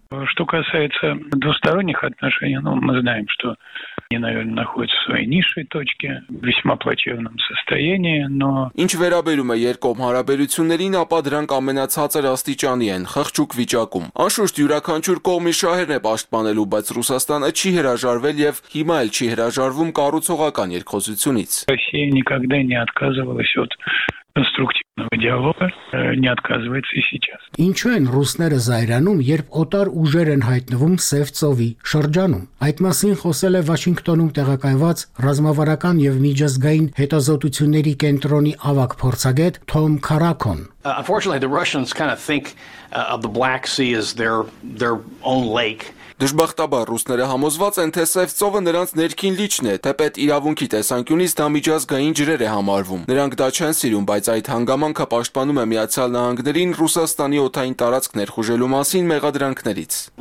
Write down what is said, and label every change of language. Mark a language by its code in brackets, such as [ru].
[ru] Что касается двусторонних отношений, ну, мы знаем, что они, наверное, находятся в своей низшей точке, в весьма плачевном состоянии, но... [hy] Ինչ վերաբերում է երկկողմ հարաբերություններին, ապա դրանք ամենացածր աստիճանի են, խղճուկ վիճակում։ Անշուշտ յուրաքանչյուր կողմի շահերն է պաշտպանելու, բայց Ռուսաստանը չի հրաժարվել եւ հիմա էլ չի հրաժարվում կառուցողական երկխոսությունից։ [ru] Россия никогда не отказывалась от конструктивного диалога, не отказывается и сейчас. [hy] Ինչու են ռուսները զայրանում, երբ օտար ուժեր են հայտնվում Սևծովի շրջանում։ Այդ մասին խոսել է Վաշինգտոնում տեղակայված ռազմավարական եւ միջազգային հետազոտությունների կենտրոնի ավագ փորձագետ Թոմ Քարակոն։ [en] Unfortunately, the Russians kind of think of the Black Sea as their own lake. [hy] Դժբախտաբար ռուսները համոզված են, թե Սևծովը նրանց ներքին լիճն է, թեպետ իրավունքի տեսանկյունից դա միջազգային ջրեր է համարվում։ Նրանք դա չեն սիրում, բայց այդ հանգամանքը պաշտպանում է Միացյալ Նահանգներին Ռուսաստանի օթային տարածք ներխուժելու մասին մեղադրանքներից։